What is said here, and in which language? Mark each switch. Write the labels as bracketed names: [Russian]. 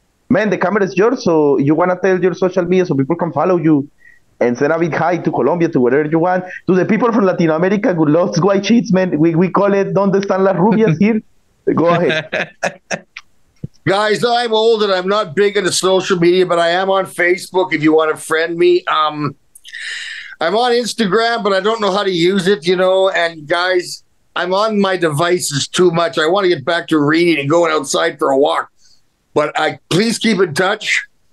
[English] Man, the camera is yours, so you want to tell your social media so people can follow you and send a big hi to Colombia, to wherever you want. To the people from Latin America who loves white sheets, man. We call it, [Spanish] ¿Dónde están las rubias [English] here? Go ahead. Guys, I'm old and I'm not big into social media, but I am on Facebook if you want to friend me. I'm on Instagram, but I don't know how to use it, you know. And guys, I'm on my devices too much. I want to get back to reading and going outside for a walk. But please keep in touch.